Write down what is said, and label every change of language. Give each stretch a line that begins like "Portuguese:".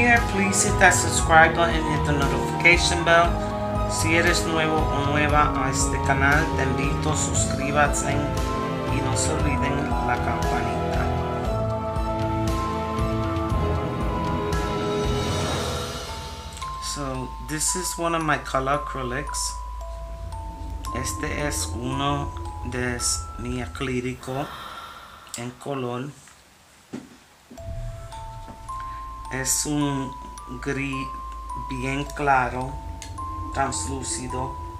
English: Please hit that subscribe button and hit the notification bell.
Spanish: Si eres nuevo o nueva a este canal, te invito a suscribirte y no se olviden la campanita.
English: So, this is one of my color acrylics.
Spanish: Este es uno de mi acrílico en color. Es un gris bien claro, translúcido.